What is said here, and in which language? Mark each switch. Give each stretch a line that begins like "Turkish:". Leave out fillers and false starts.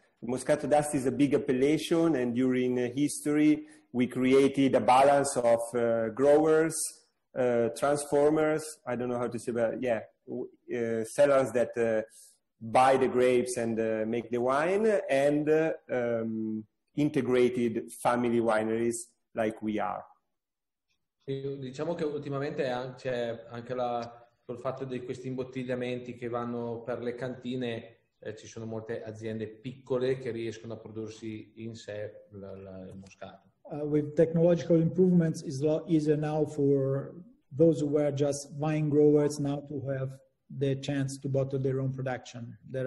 English: Moscato d'Asti is a big appellation, and during history, we created a balance of growers, transformers, I don't know how to say, but yeah, sellers that buy the grapes and make the wine, and integrated family wineries like we are.
Italian: Diciamo che ultimamente c'è anche sul fatto di questi imbottigliamenti che vanno per le cantine, ci sono molte aziende piccole che riescono a prodursi in sé il Moscato.
English: With technological improvements, it's a lot easier now for those who were just wine growers now to have the chance to bottle their own production.